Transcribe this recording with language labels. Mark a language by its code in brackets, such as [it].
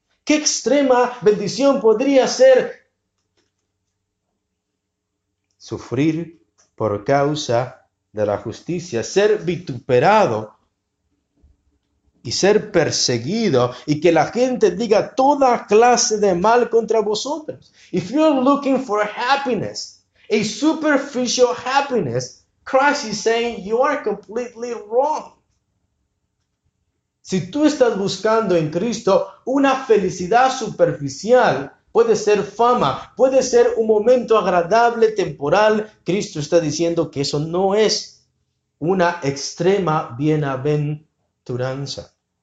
[es] ¿Qué extrema bendición podría ser sufrir por causa de la justicia, ser vituperado y ser perseguido y que la gente diga toda clase de mal contra vosotros. [en] If you're looking for happiness, a superficial happiness, Christ is saying you are completely wrong. [es] Si tú estás buscando en Cristo una felicidad superficial, puede ser fama, puede ser un momento agradable, temporal, Cristo está diciendo que eso no es una extrema bienaventuranza.